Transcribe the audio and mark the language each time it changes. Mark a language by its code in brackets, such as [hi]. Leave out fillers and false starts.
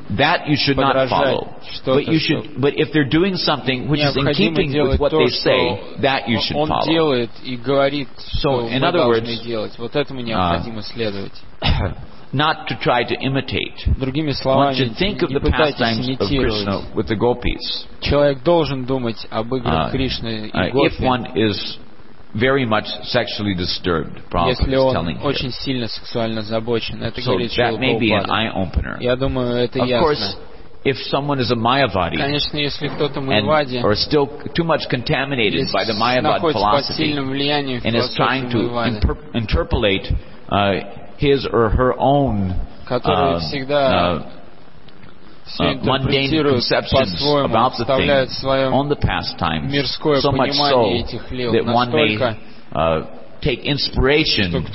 [en] That you should not follow. But if they're doing something which is in keeping with what they say, that you should follow. So, in other words, not to try to imitate. [ru] Другими словами, [en] one should think of the pastimes of Krishna with the gopis. [ru] Человек должен думать об играх Кришны и гопи. [en] If one is very much sexually disturbed, Prabhupada is telling here. [ru] Если он очень сильно сексуально озабочен, это [en] so [ru] говорит Шрила Прабхупада. [en] That may be an eye opener. [ru] Я думаю, это [en] of [ru] ясно. [en] Course, if someone is a Mayavadi, [ru] конечно, если кто-то Майявади, [en] or still too much contaminated by the Mayavad philosophy, and is trying to interpolate his or her own mundane conceptions about the things on the pastimes, so much so that one may take inspiration